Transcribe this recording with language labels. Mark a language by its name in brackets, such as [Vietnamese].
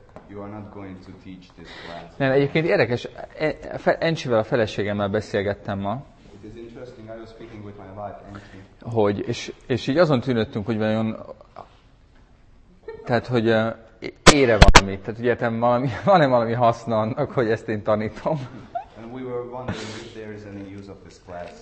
[English] You are not going to teach this class. [Hungarian] Nem, egyébként érdekes, Encsivel, a feleségemmel beszélgettem ma. [English] It is interesting, I was speaking with my wife, Encsi. [Hungarian] Hogy, és így azon tűnöttünk, hogy vajon, tehát, hogy ére valamit, tehát ugye van-e valami haszna annak, hogy ezt én tanítom. [English] And we were wondering if there is any use of this class.